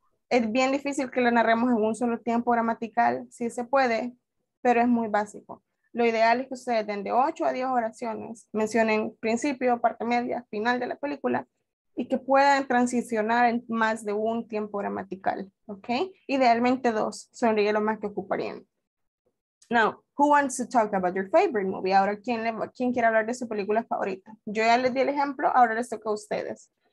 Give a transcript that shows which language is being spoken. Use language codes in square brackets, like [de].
[es] Es bien difícil que lo narremos en un solo tiempo gramatical, sí se puede, pero es muy básico. Lo ideal es que ustedes den de 8 a 10 oraciones, mencionen principio, parte media, final de la película, y que puedan transicionar en más de un tiempo gramatical, ¿ok? Idealmente 2, sería lo más que ocuparían. [en] Now, who wants to talk about your favorite movie? [es] Ahora, ¿quién quiere hablar de su película favorita? Yo ya les di el ejemplo, ahora les toca a ustedes.